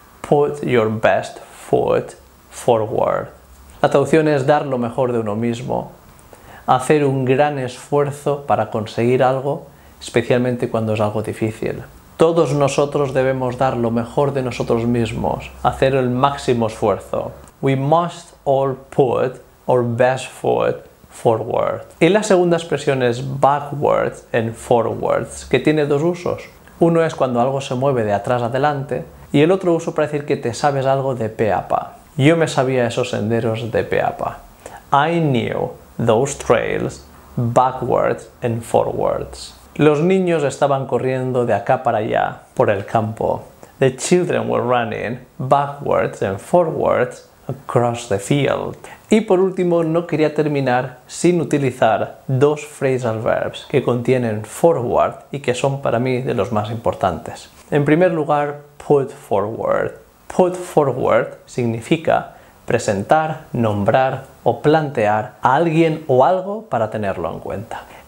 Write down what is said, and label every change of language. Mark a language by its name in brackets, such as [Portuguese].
[English] Put your best foot forward. [Spanish] La traducción es dar lo mejor de uno mismo, hacer un gran esfuerzo para conseguir algo, especialmente cuando es algo difícil. Todos nosotros debemos dar lo mejor de nosotros mismos, hacer el máximo esfuerzo. [English] We must all put our best foot forward. [Spanish] Y la segunda expresión es backwards and forwards, que tiene 2 usos. Uno es cuando algo se mueve de atrás adelante y el otro uso para decir que te sabes algo de pe a pa. Yo me sabía esos senderos de pe a pa. [English] I knew those trails backwards and forwards. [Spanish] Los niños estaban corriendo de acá para allá por el campo. [English] The children were running backwards and forwards across the field. [Spanish] Y por último, no quería terminar sin utilizar dos phrasal verbs que contienen forward y que son para mí de los más importantes. En primer lugar, put forward. Put forward significa presentar, nombrar o plantear a alguien o algo para tenerlo en cuenta.